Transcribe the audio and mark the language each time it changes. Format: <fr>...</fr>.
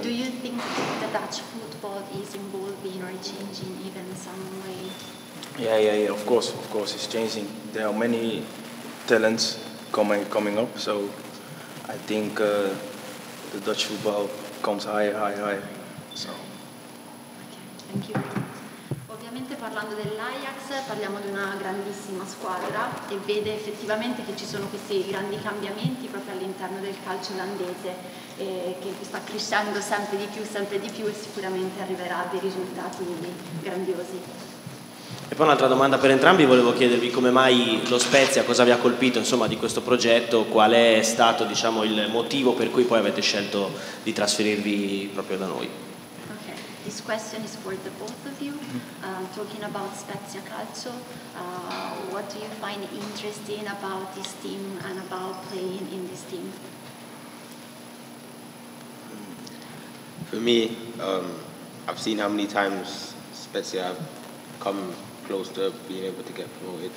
<en>Do you think the Dutch football is evolving or changing even some way? Yeah, of course it's changing. There are many talents coming up, so I think the Dutch football comes high, so. Okay, thank you.</en> <it>Parlando dell'Ajax, parliamo di una grandissima squadra e vede effettivamente che ci sono questi grandi cambiamenti proprio all'interno del calcio olandese, che sta crescendo sempre di più e sicuramente arriverà a dei risultati grandiosi. E poi un'altra domanda per entrambi, volevo chiedervi come mai lo Spezia, cosa vi ha colpito insomma di questo progetto, qual è stato diciamo il motivo per cui poi avete scelto di trasferirvi proprio da noi.</it> <en>This question is for the both of you. Talking about Spezia Calcio, what do you find interesting about this team and about playing in this team? For me, I've seen how many times Spezia have come close to being able to get promoted.</en>